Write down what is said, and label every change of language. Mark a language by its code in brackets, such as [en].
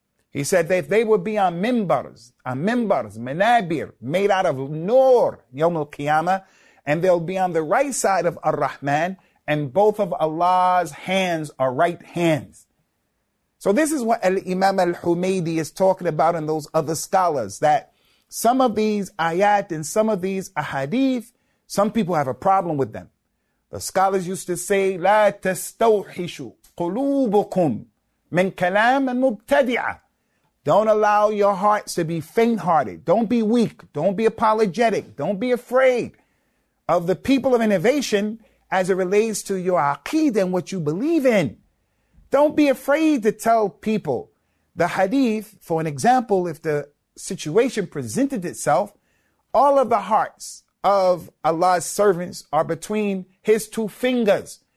[en] He said that if they would be on minbars, manabir, made out of nur, yawm al-qiyamah, and they'll be on the right side of ar-Rahman, and both of Allah's hands are right hands. So this is what Al-Imam Al-Humaydi is talking about and those other scholars, that some of these ayat and some of these ahadith, some people have a problem with them. The scholars used to say, [ar] لا تستوحشوا قلوبكم من كلام المبتدع. [en] Don't allow your hearts to be faint-hearted. Don't be weak. Don't be apologetic. Don't be afraid of the people of innovation as it relates to your aqidah and what you believe in. Don't be afraid to tell people the hadith, for an example, if the situation presented itself, all of the hearts of Allah's servants are between his two fingers.